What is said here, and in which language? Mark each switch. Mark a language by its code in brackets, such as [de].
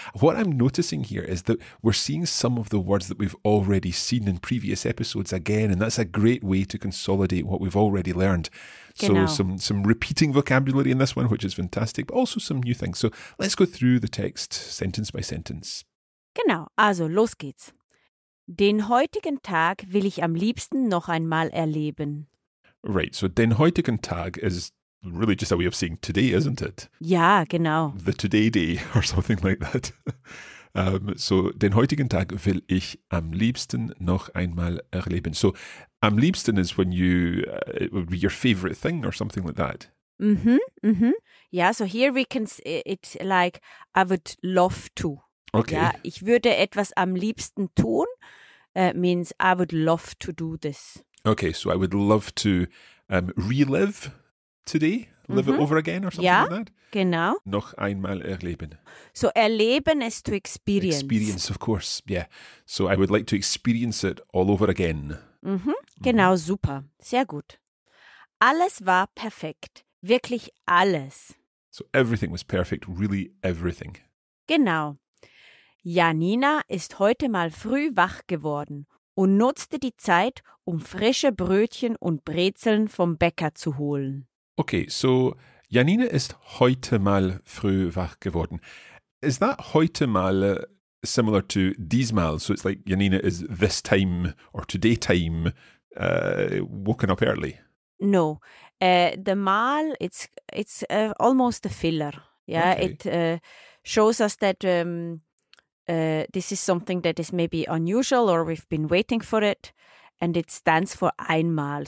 [en] What I'm noticing here is that we're seeing some of the words that we've already seen in previous episodes again, and that's a great way to consolidate what we've already learned. So some repeating vocabulary in this one, which is fantastic, but also some new things. So let's go through the text sentence by sentence. [de] Genau, also los geht's. Den heutigen Tag will ich am liebsten noch einmal erleben. [en] Right, so [de] den heutigen Tag [en] is really just a way of saying today, isn't it? [de] Ja, genau. [en] The today day or something like that. [de] So den heutigen Tag will ich am liebsten noch einmal erleben. [en] So [de] am liebsten [en] is when you, it would be your favorite thing or something like that. Mm-hmm, mm-hmm. Yeah, so here we can, it's like I would love to. Okay. [de] Ja, ich würde etwas am liebsten tun, [en] means I would love to do this. Okay, so I would love to relive today, live it over again or something like that. [de] Ja, genau. Noch einmal erleben. [en] So erleben is to experience. Experience, of course, yeah. So I would like to experience it all over again. [de] Mhm. Genau, super. Sehr gut. Alles war perfekt. Wirklich alles. [en] So everything was perfect, really everything. [de] Genau. Janina ist heute mal früh wach geworden und nutzte die Zeit, um frische Brötchen und Brezeln vom Bäcker zu holen. Okay, so Janina ist heute mal früh wach geworden. [en] Is that [de] heute mal [en] similar to diesmal? So it's like Janina is this time or today time woken up early? No, the mal, it's almost a filler. Yeah, okay. It shows us that this is something that is maybe unusual or we've been waiting for it, and it stands for einmal.